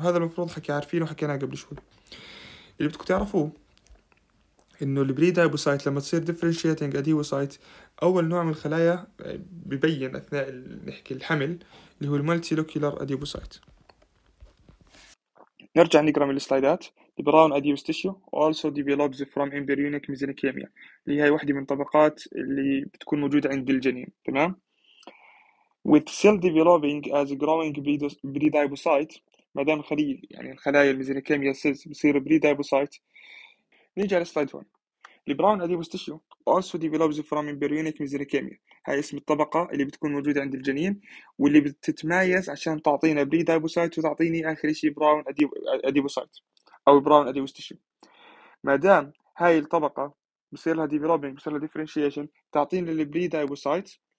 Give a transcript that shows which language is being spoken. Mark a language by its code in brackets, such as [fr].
[ar] هذا المفروض حكي عارفينه وحكيناه قبل شوي. اللي بدكم تعرفوه انه البريدايبوسايت لما تصير ديفرنشياتينج اديبوسايت، اول نوع من الخلايا ببين اثناء نحكي الحمل اللي هو المالتيلوكولار اديبوسايت. نرجع نقرا من السلايدات. [en] The brown adipose tissue also develops from embryonic mesenchyma، [ar] اللي هي واحدة من طبقات اللي بتكون موجودة عند الجنين، تمام؟ [en] With cell developing as a growing pre-adipocyte، [ar] مادام خلية يعني الخلايا المزينكيميا cells بصير [en] pre-adipocyte. [ar] نيجي على السلايد هون. [en] The brown adipose tissue also develops from embryonic mesenchyma، [ar] هاي اسم الطبقة اللي بتكون موجودة عند الجنين واللي بتتميز عشان تعطينا pre-adipocyte وتعطيني آخر شيء brown adipocyte او براون اديبوس تيشو. ما دام هاي الطبقه بصير لها ديفلوبينج، بصير لها ديفرنشيشن، تعطيني البري دايبوسايت.